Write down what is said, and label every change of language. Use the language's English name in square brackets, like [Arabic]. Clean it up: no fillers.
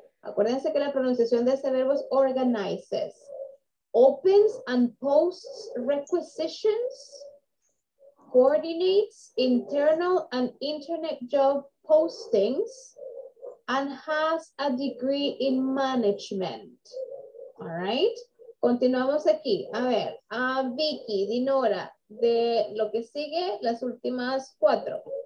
[Spanish] Acuérdense que la pronunciación de ese verbo es organizes. [English] Opens and posts requisitions, coordinates internal and internet job postings, and has a degree in management. All right. [Spanish] Continuamos aquí. A ver, a Vicky, Dinora, de lo que sigue, las últimas cuatro.